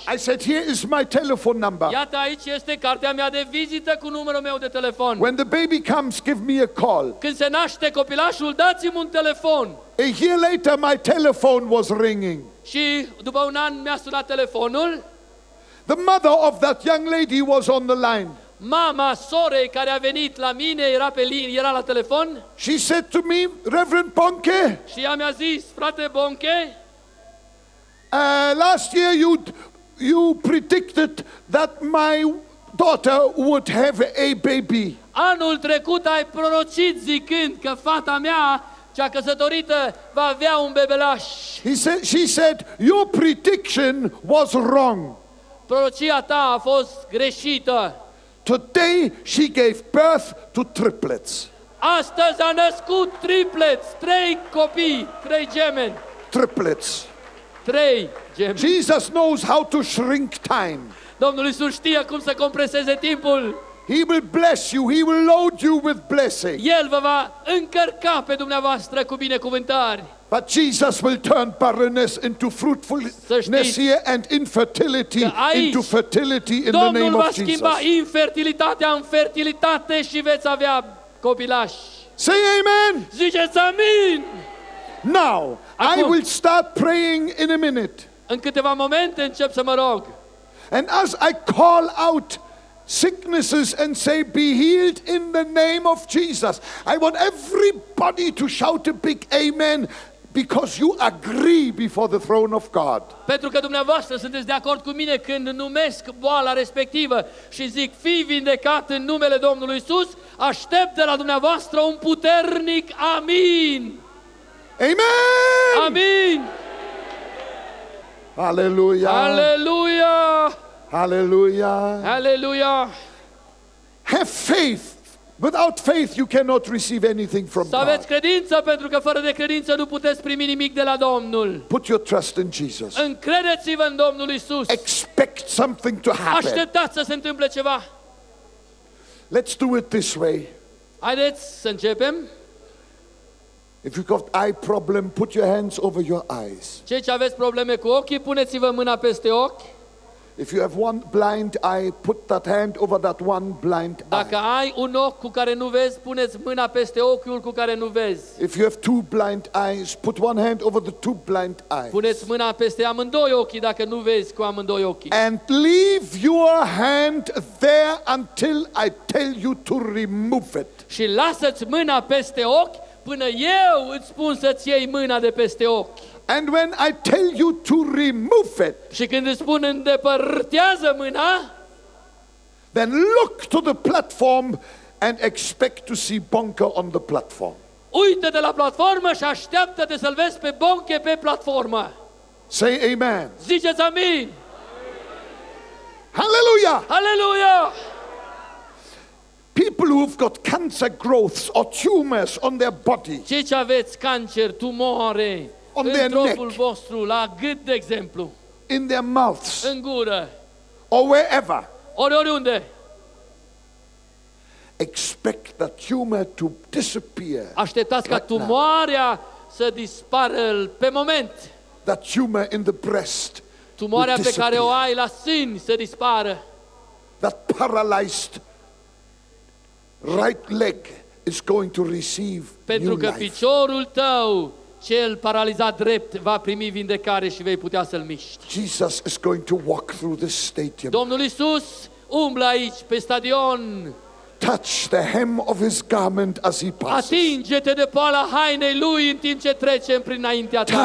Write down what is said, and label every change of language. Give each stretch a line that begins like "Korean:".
English: I said, here is my telephone number.
Romanian: Iată, aici este cartea mea de vizită cu numărul meu de telefon.
English: When the baby comes, give me a call.
Romanian: Când se naște copilașul, dați-mi un telefon.
English: A year later, my telephone was ringing.
Romanian: Și după un an, mi-a sunat telefonul.
English: The mother of that young lady was on the line.
Romanian: Mama sorei care a venit la mine era pe linie, era la telefon.
English: She said to me, Reverend Bonke.
Romanian: Și ea mi-a zis, frate Bonke.
English: Last year you predicted that my daughter would have a baby.
Romanian: Anul trecut ai prorocit zicând că fata mea, cea căsătorită, va avea un bebeluș.
English: She said your prediction was wrong.
Romanian: Prorocia ta a fost greșită.
English: Today she gave birth to triplets.
Romanian: Astăzi a născut triplets, 3 copii, 3 gemeni.
English: Triplets.
Romanian: 3 gemeni.
English: Jesus knows how to shrink time.
Romanian: Domnul Iisus știe cum să compreseze timpul.
English: He will bless you. He will load you with blessing.
Romanian: El vă va încărca pe dumneavoastră cu binecuvântări.
English: But Jesus will turn barrenness into fruitfulness and infertility into fertility in
Romanian: Domnul
English: the name of Jesus.
Romanian: Domnul va schimba infertilitatea în fertilitate și veți avea copilași.
English: Say amen.
Romanian: Ziceți amin.
English: Now, acum, I will start praying in a minute.
Romanian: În câteva momente încep să mă rog.
English: And as I call out sicknesses and say, be healed in the name of Jesus. I want everybody to shout a big amen because you agree before the throne of God.
Romanian: Pentru că dumneavoastră sunteți de acord cu mine când numesc boala respectivă și zic, fii vindecat în numele Domnului Iisus, aștept de la dumneavoastră un puternic amin.
English: Amen!
Romanian: Amin!
English: Hallelujah!
Romanian: Hallelujah!
English: Hallelujah!
Romanian: Hallelujah!
English: Have faith. Without faith you cannot receive anything from God.
Romanian: Să aveți credință, pentru că fără de credință nu puteți primi nimic de la Domnul.
English: Put your trust in Jesus.
Romanian: Încredeți-vă în Domnul Iisus.
English: Expect something to happen.
Romanian: Așteptați să se întâmple ceva.
English: Let's do it this way.
Romanian: Haideți să începem.
English: If you've got eye problem, put your hands over your eyes.
Romanian: Cei ce aveți probleme cu ochii, puneți-vă mâna peste ochi.
English: If you have one blind eye, put that hand over that one blind eye.
Romanian: Dacă ai un ochi cu care nu vezi, puneți mâna peste ochiul cu care nu vezi.
English: If you have two blind eyes, put one hand over the two blind eyes.
Romanian: Puneți mâna peste amândoi ochii dacă nu vezi cu amândoi ochii.
English: And leave your hand there until I tell you to remove it.
Romanian: Și lasă-ți mâna peste ochi până eu îți spun să-ți iei mâna de peste ochi.
English: And when I tell you to remove it.
Romanian: Și când îți spun îndepărtează mâna.
English: Then look to the platform and expect to see Bonke on the platform.
Romanian: Uită-te la platformă și așteaptă-te să-l vezi pe Bonke pe platformă.
English: Say amen.
Romanian: Ziceți amin.
English: Hallelujah.
Romanian: Hallelujah.
English: People who've got cancer growths or tumors on their body.
Romanian: Cei ce aveți cancer, tumoare în trupul vostru, la gât, de exemplu.
English: In their mouths.
Romanian: În gură.
English: Or wherever.
Romanian: Oriunde.
English: Expect the tumor to disappear.
Romanian: Așteptați ca tumoarea să dispară pe moment.
English: The tumor in the breast.
Romanian: Tumoarea pe care o ai la sân să dispară.
English: That paralyzed right leg is going to receive new life.
Romanian: Pentru că piciorul tău, cel paralizat drept, va primi vindecare și vei putea să-l miști.
English: Jesus is going to walk through this stadium.
Romanian: Domnul Iisus umblă aici pe stadion.
English: Touch the hem of his garment as he passes.
Romanian: Atinge-te de poala hainei lui în timp ce trece înaintea ta.